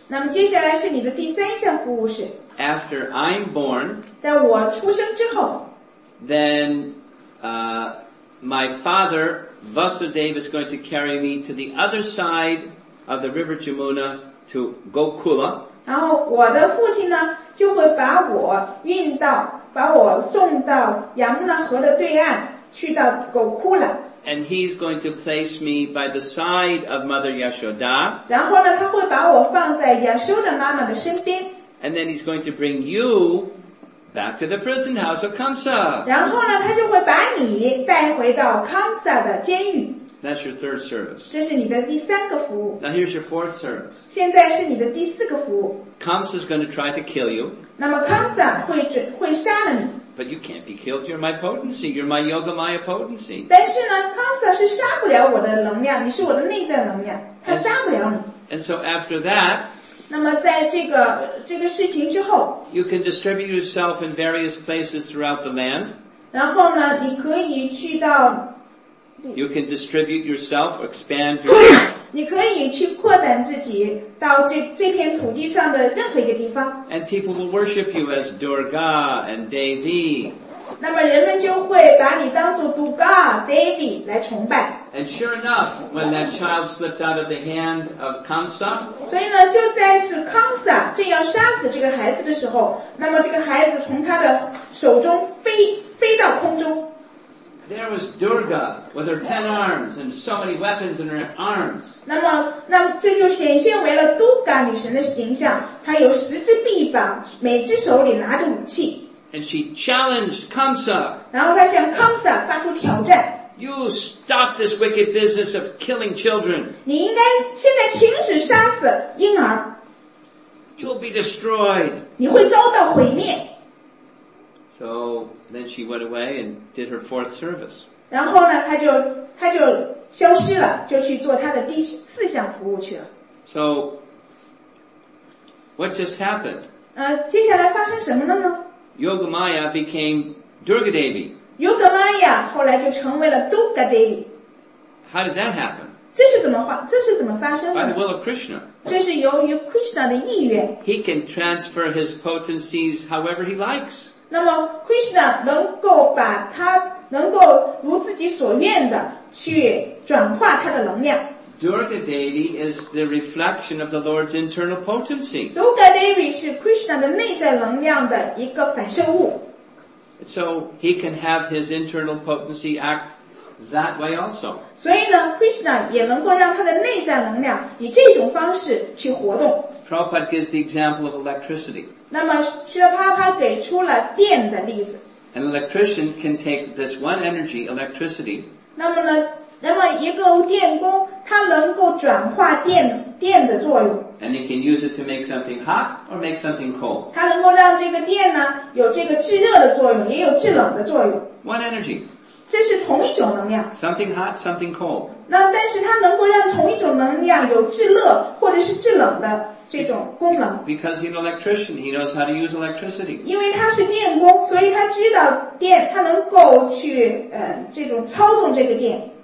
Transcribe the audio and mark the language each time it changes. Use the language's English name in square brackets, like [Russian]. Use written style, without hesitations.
[Chinese] 那么接下来是你的第三项服务是。 [English] After I'm born, [Chinese] 在我出生之后 [English] then, my father Vasudeva is going to carry me to the other side of the river Jamuna to Gokula. [Chinese] 然后我的父亲呢，就会把我运到，把我送到Yamuna河的对岸，去到Gokula。 [English] And he's going to place me by the side of Mother Yashoda. [Chinese] 然后呢，他会把我放在Yashoda妈妈的身边。 [English] And then he's going to bring you back to the prison house of Kamsa. [Chinese] 然后呢，他就会把你带回到 Kamsa 的监狱。 [English] That's your third service. [Chinese] 这是你的第三个服务。 [English] Now here's your fourth service. [Chinese] 现在是你的第四个服务。 [English] Kamsa's going to try to kill you. [Chinese] 那么 Kamsa 会杀了你。 [English] But you can't be killed. You're my potency. You're my Yogamaya potency. [Chinese] 但是呢 ，Kamsa 是杀不了我的能量，你是我的内在能量，他杀不了你。 [English] And so after that. [Chinese] 那么在这个事情之后。 [English] You can distribute yourself in various places throughout the land. [Chinese] 然后呢，你可以去到。 [English] You can distribute yourself, expand yourself. [Chinese] 你可以去扩展自己到这片土地上的任何一个地方。 [English] And people will worship you as Durga and Devi. [Chinese] 那么人们就会把你当作 Durga, Devi 来崇拜。 [English] And sure enough, when that child slipped out of the hand of Kamsa, [Chinese] 所以呢，就在是 Kamsa 正要杀死这个孩子的时候，那么这个孩子从他的手中飞到空中。 [English] There was Durga with her 10 arms and so many weapons in her arms. [Chinese] 那么这就显现为了 Durga 女神的形象，她有十只臂膀，每只手里拿着武器。 [English] And she challenged Kamsa. [Chinese] 然后她向 Kamsa 发出挑战。 [English] You stop this wicked business of killing children. [Chinese] 你应该现在停止杀死婴儿。 [English] You'll be destroyed. [Chinese] 你会遭到毁灭。 [English] So then she went away and did her fourth service. [Chinese] 然后呢，她就消失了，就去做她的第四项服务去了。 [English] So what just happened? [Chinese] 接下来发生什么了呢 [English] ？Yogamaya became Durga Devi. [Chinese] Yogamaya 后来就成为了 Durga Devi. [English] How did that happen? [Chinese] 这是怎么发生的 [English] ？By the will of Krishna. [Chinese] 这是由于 Krishna 的意愿。 [English] He can transfer his potencies however he likes. [Chinese] 那么 Krishna 能够把他能够如自己所愿的去转化他的能量。 [English] Durga Devi is the reflection of the Lord's internal potency. [Chinese] Durga Devi 是 Krishna 的内在能量的一个反射物。 [English] So he can have his internal potency act that way also. [Chinese] 所以呢 ，Krishna 也能够让他的内在能量以这种方式去活动。 [English] Prabhupada gives the example of electricity. [Chinese] 那么释迦牟尼佛给出了电的例子。 [English] An electrician can take this one energy, electricity. [Chinese] 那么一个电工，他能够转化电的作用。 [English] And he can use it to make something hot or make something cold. [Chinese] 他能够让这个电呢，有这个制热的作用，也有制冷的作用。 [English] One energy. [Chinese] 这是同一种能量。 [English] Something hot, something cold. [Chinese] 那但是他能够让同一种能量有制热或者是制冷的。这种功能 [English] Because he's an electrician, he knows how to use electricity. [Chinese] 因为他是电工，所以他知道电，他能够去这种操纵这个电。